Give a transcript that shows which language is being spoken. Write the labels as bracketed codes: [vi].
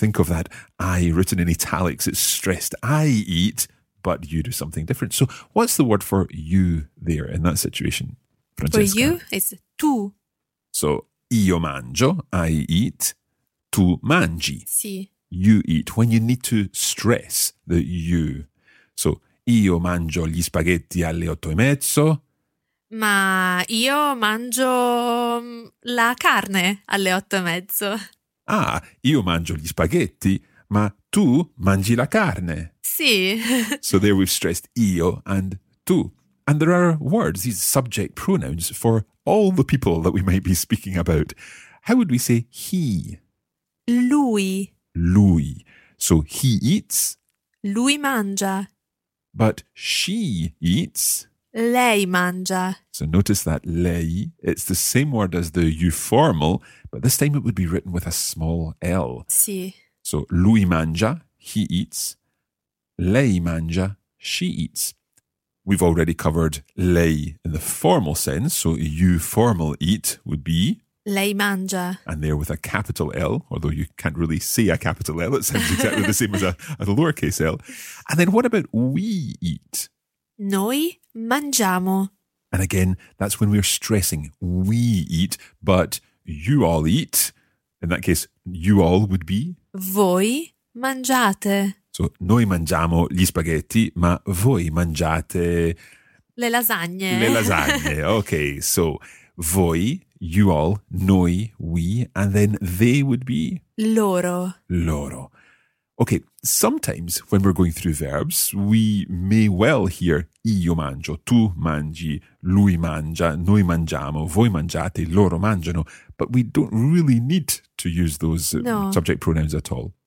[en] Think of that I written in italics. It's stressed. I eat, but you do something different. So what's the word for you there in that situation, Francesca? For you, it's tu. [it] So io mangio, [en] I eat. [it] Tu mangi. Sì. [en] You eat. When you need to stress the you. [it] So io mangio gli spaghetti alle 8:30. Ma io mangio la carne alle 8:30. Ah, io mangio gli spaghetti, ma tu mangi la carne. Sì. [en] So there we've stressed io and tu. And there are words, these subject pronouns, for all the people that we might be speaking about. How would we say he? [it] Lui. [en] Lui. So he eats. [it] Lui mangia. [en] But she eats. [it] Lei mangia. [en] So notice that lei, it's the same word as the euformal, but this time it would be written with a small L. [it] Si. [en] So [it] lui mangia, [en] he eats. [it] Lei mangia, [en] she eats. We've already covered lei in the formal sense, so euformal eat would be... [it] Lei mangia. [en] And there with a capital L, although you can't really see a capital L, it sounds exactly the same as a lowercase L. And then what about we eat? [it] Noi mangiamo. [en] And again, that's when we're stressing we eat, but you all eat. In that case, you all would be? [it] Voi mangiate. So noi mangiamo gli spaghetti, ma voi mangiate... Le lasagne. Le lasagne. [en] Okay, so voi, you all, noi, we, and then they would be? [it] Loro. [en] Loro. Okay, sometimes when we're going through verbs, we may well hear [it] io mangio, tu mangi, lui mangia, noi mangiamo, voi mangiate, loro mangiano, [en] but we don't really need to use those subject pronouns at all.